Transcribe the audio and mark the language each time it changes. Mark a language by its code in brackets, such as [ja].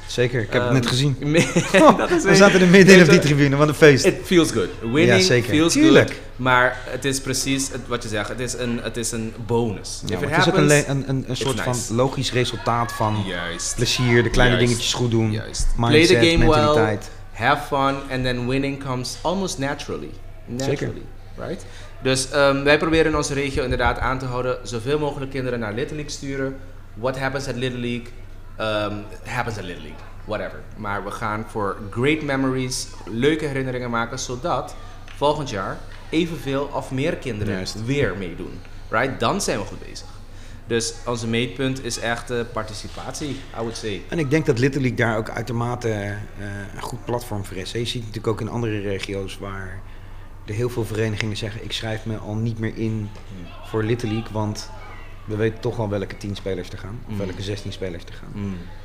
[nl] Zeker, ik heb het net gezien. We zaten er midden in op die tribune, wat een feest. [en] It feels good. Winning feels good. [nl] Maar het is precies wat je zegt. Het is een bonus. Ja, het is een soort van logisch resultaat van plezier, de kleine dingetjes goed doen. [en] Mindset, play the game mentaliteit. Well, have fun, and then winning comes almost naturally. Right? [nl] Dus wij proberen in onze regio inderdaad aan te houden, zoveel mogelijk kinderen naar Little League sturen. [en] What happens at Little League? Happens at Little League. Whatever. [nl] Maar we gaan voor [en] great memories, [nl] leuke herinneringen maken, zodat volgend jaar evenveel of meer kinderen weer meedoen. Right? Dan zijn we goed bezig. Dus onze meetpunt is echt participatie, [en] I would say. [nl] En ik denk dat Little League daar ook uitermate een goed platform voor is. Je ziet natuurlijk ook in andere regio's waar er heel veel verenigingen zeggen, ik schrijf me al niet meer in voor Little League, want we weten toch al welke 10 spelers er gaan, of welke 16 spelers er gaan. Mm.